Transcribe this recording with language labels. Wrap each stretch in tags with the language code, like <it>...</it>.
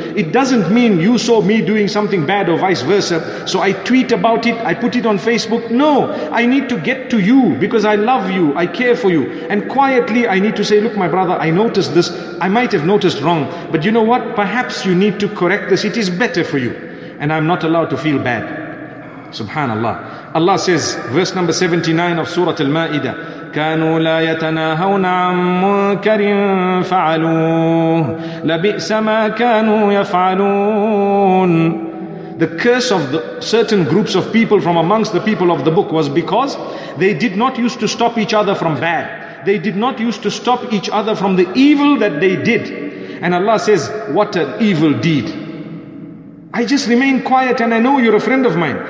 <en>It doesn't mean you saw me doing something bad or vice versa, so I tweet about it, I put it on Facebook. No, I need to get to you because I love you, I care for you. And quietly I need to say, look my brother, I noticed this, I might have noticed wrong. But you know what, perhaps you need to correct this, it is better for you. And I'm not allowed to feel bad. Subhanallah. Allah says, verse number 79 of Surah Al-Ma'idah,</en> <ar>كَانُوا لَا يَتَنَاهَوْنَ عَمْ مُنْكَرٍ فَعَلُوهُ لَبِئْسَ مَا كَانُوا يَفْعَلُونَ.</ar> <en>The curse of the certain groups of people from amongst the people of the book was because they did not used to stop each other from bad. They did not used to stop each other from the evil that they did. And Allah says, what an evil deed. I just remain quiet, and I know you're a friend of mine.</en>